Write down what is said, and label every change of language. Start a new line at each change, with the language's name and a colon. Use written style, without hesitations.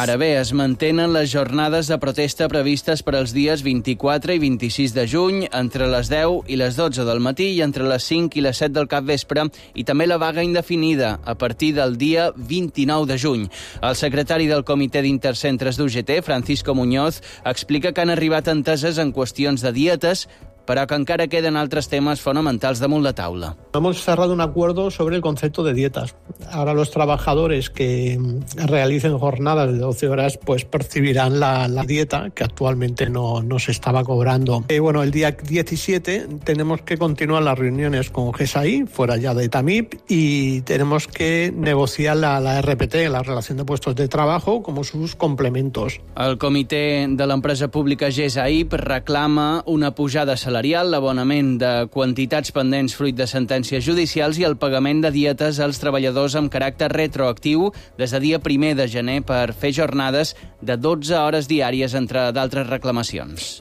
Catalan: Ara bé, es mantenen les jornades de protesta previstes per als dies 24 i 26 de juny, entre les 10 i les 12 del matí i entre les 5 i les 7 del capvespre, i també la vaga indefinida a partir del dia 29 de juny. El secretari del Comitè d'Intercentres d'UGT, Francisco Muñoz, explica que han arribat enteses en qüestions de dietes, però que encara queden altres temes fonamentals damunt la taula.
Spanish: Hemos cerrado un acuerdo sobre el concepto de dietas. Ahora los trabajadores que realicen jornadas de 12 horas pues percibirán la dieta que actualmente no se estaba cobrando. Bueno, el día 17 tenemos que continuar las reuniones con GSAI, fuera ya de Tamip, y tenemos que negociar la RPT, la Relación de Puestos de Trabajo, como sus complementos.
Catalan: El comitè de l'empresa pública GSAI reclama una pujada salarial, l'abonament de quantitats pendents fruit de sentències judicials i el pagament de dietes als treballadors amb caràcter retroactiu des del dia 1 de gener per fer jornades de 12 hores diàries, entre d'altres reclamacions.